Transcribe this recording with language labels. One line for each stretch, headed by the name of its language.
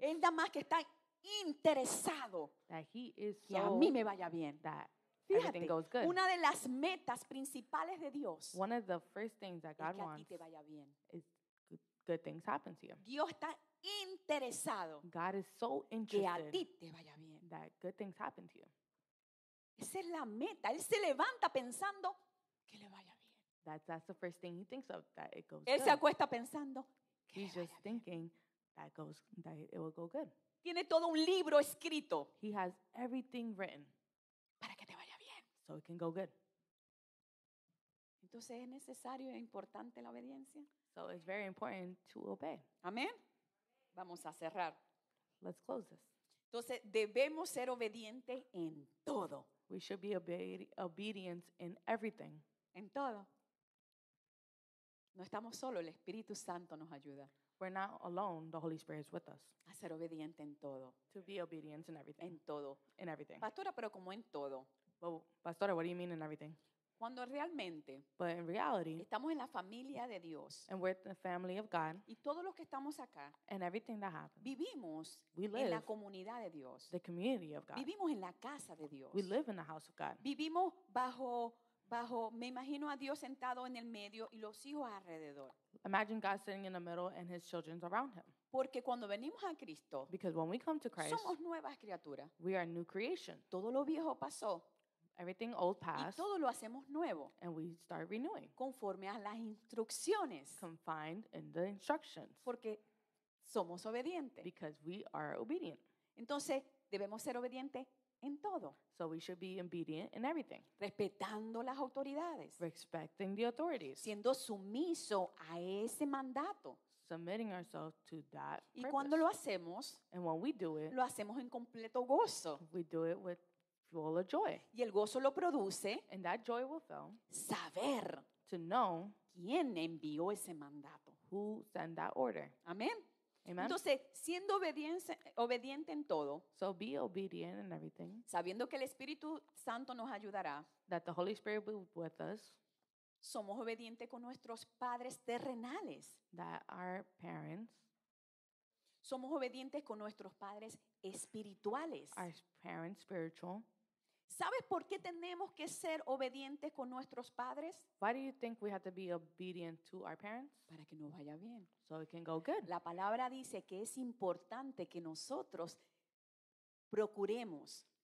Spanish: Él da más que está interesado.
English: That he is so.
Spanish: Que a mí me vaya bien.
English: That.
Spanish: Fíjate,
English: goes good.
Spanish: Una de las metas principales de Dios
English: one of the first things that God
Spanish: es que
English: wants
Spanish: a ti te vaya bien.
English: Is good things happen to you.
Spanish: Dios está interesado
English: God is so interested
Spanish: que a ti te vaya bien.
English: That good things happen to you.
Spanish: Esa es la meta. Él se levanta pensando que le vaya bien.
English: That's the first thing he thinks of, that it goes
Spanish: él
English: good.
Spanish: Él se acuesta pensando que
English: he's
Spanish: le vaya
English: just thinking
Spanish: bien.
English: That goes, that it will go good.
Spanish: Tiene todo un libro escrito.
English: He has everything written.
Spanish: Para que te vaya bien.
English: So it can go good.
Spanish: Entonces es necesario y importante la obediencia.
English: So it's very important to obey.
Spanish: Amén. Vamos a cerrar.
English: Let's close this.
Spanish: Entonces debemos ser obedientes en todo.
English: We should be obedient in everything.
Spanish: En todo. No estamos solos. El Espíritu Santo nos ayuda.
English: We're not alone. The Holy Spirit is with us.
Spanish: A ser obediente en todo.
English: To be obedient in everything.
Spanish: En todo.
English: In everything.
Spanish: Pastora, pero como en todo.
English: Well, Pastora, what do you mean in everything?
Spanish: Cuando realmente.
English: But in reality.
Spanish: Estamos en la familia de Dios.
English: And we're the family of God.
Spanish: Y todos los que estamos acá.
English: And everything that happens.
Spanish: Vivimos
English: we live
Spanish: en la comunidad de Dios.
English: The community of God.
Spanish: Vivimos en la casa de Dios.
English: We live in the house of God.
Spanish: Vivimos bajo, me imagino a Dios sentado en el medio y los hijos alrededor.
English: Imagine God sitting in the middle and his children around him.
Spanish: Porque cuando venimos a Cristo,
English: because when we come to Christ,
Spanish: somos nuevas criaturas.
English: We are new creation.
Spanish: Todo lo viejo pasó.
English: Everything old passed.
Spanish: Y todo lo hacemos nuevo.
English: And we start renewing.
Spanish: Conforme a las instrucciones.
English: Confined in the instructions.
Spanish: Porque somos obedientes.
English: Because we are obedient.
Spanish: Entonces, debemos ser obedientes. En todo.
English: So we should be obedient in everything.
Spanish: Respetando las autoridades.
English: Respecting the authorities.
Spanish: Siendo sumiso a ese mandato.
English: Submitting ourselves to that
Spanish: purpose. Y cuando lo hacemos.
English: And when we do it.
Spanish: Lo hacemos en completo gozo.
English: We do it with full of joy.
Spanish: Y el gozo lo produce.
English: And that joy will fill.
Spanish: Saber.
English: To know.
Spanish: Quién envió ese mandato.
English: Who sent that order.
Spanish: Amén.
English: Amen.
Spanish: Entonces, siendo obediente en todo,
English: so be obedient in everything,
Spanish: sabiendo que el Espíritu Santo nos ayudará,
English: that the Holy Spirit will be with us,
Spanish: somos obedientes con nuestros padres terrenales,
English: that our parents,
Spanish: somos obedientes con nuestros padres espirituales,
English: our parents spiritual.
Spanish: ¿Sabes por qué tenemos que ser obedientes con nuestros padres?
English: Why do you think we have to be obedient to our parents?
Spanish: Para que nos vaya bien.
English: So it can go good.
Spanish: La palabra dice que es importante que nosotros procuremos.